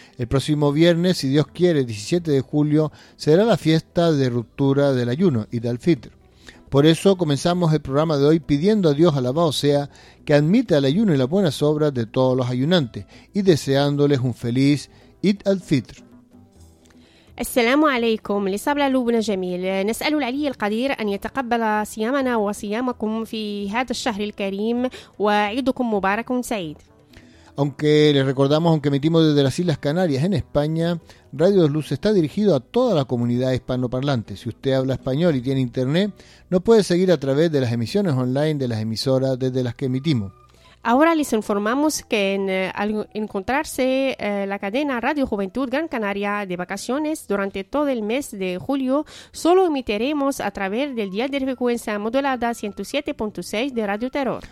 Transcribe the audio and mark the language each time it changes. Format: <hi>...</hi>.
<es>El próximo viernes, si Dios quiere, 17 de julio, será la fiesta de ruptura del ayuno y del fitr. Por eso comenzamos el programa de hoy pidiendo a Dios, alabado sea, que admita el ayuno y las buenas obras de todos los ayunantes y deseándoles un feliz Eid al-Fitr.</es> <ar>السلام عليكم. لصبا لبنى جميل، نسأل العلي القدير أن يتقبل صيامنا وصيامكم في هذا الشهر الكريم، وعيدكم مبارك سعيد.</ar> <es>Aunque les recordamos, aunque emitimos desde las Islas Canarias en España, Radio Dos Luces está dirigido a toda la comunidad hispanoparlante. Si usted habla español y tiene internet, nos puede seguir a través de las emisiones online de las emisoras desde las que emitimos. Ahora les informamos que al encontrarse la cadena Radio Juventud Gran Canaria de vacaciones durante todo el mes de julio, solo emitiremos a través del dial de frecuencia modulada 107.6 de Radio Terror.</es>